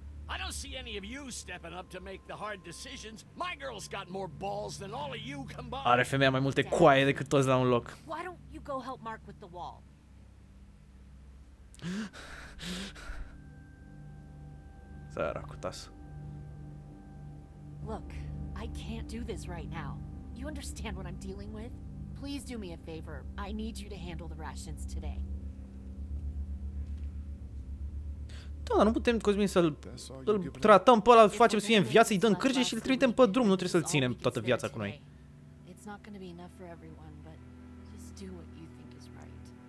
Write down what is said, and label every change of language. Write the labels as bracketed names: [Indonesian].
[English] I don't see any of you stepping up to make the hard decisions. My girl's got more balls than all of you combined. [Romanian] Are femeia mai multe coaie decât toți la un loc. [English] Why don't you go help Mark with the wall? [Romanian] Săracutas. [English] Look, I can't do this right now. You understand what I'm dealing with? Please do me a favor. I need you to handle the rations today. [Romanian] Da, dar nu putem, Cosmin, să-l tratăm pe ăla, facem să fie în viață, îi dăm cârje și îl trimitem pe drum. Nu trebuie să-l ținem toată viața cu noi. [English] It's not going to be enough for everyone, but just do what you think is right.